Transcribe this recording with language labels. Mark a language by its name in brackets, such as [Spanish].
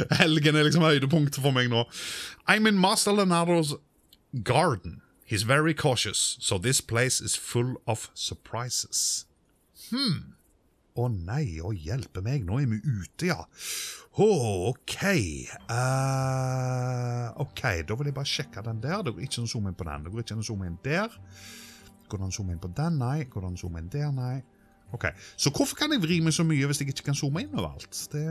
[Norwegian] Helgen er liksom høydepunktet for meg nå. [English] I'm in Master Leonardo's garden. He's very cautious, so this place is full of surprises. [Norwegian] Nei, og hjelpe meg, nå er vi ute, ja. Ok, da vil jeg bare sjekke den der. Det går ikke noe zoom inn på den, det går ikke noe zoom inn der. Går den zoome inn på den? Nei. Går den zoome inn der? Nei. Ok, så hvorfor kan jeg vri meg så mye hvis jeg ikke kan zoome inn over alt?